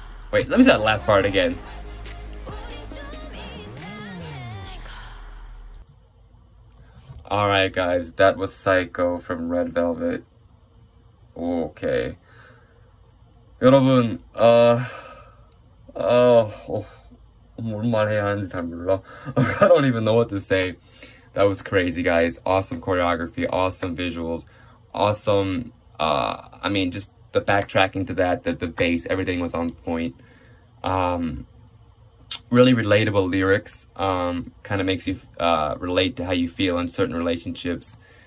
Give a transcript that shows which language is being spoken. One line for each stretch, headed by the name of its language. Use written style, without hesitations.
English: Wait, let me say that last part again. Alright guys, that was Psycho from Red Velvet. Okay.
Korean: 여러분, 뭔 말 해야 하는지 잘 몰라.
English: I don't even know what to say. That was crazy, guys. Awesome choreography, awesome visuals, awesome, I mean, just the backtracking to that, the bass, everything was on point. Really relatable lyrics, kind of makes you relate to how you feel in certain relationships.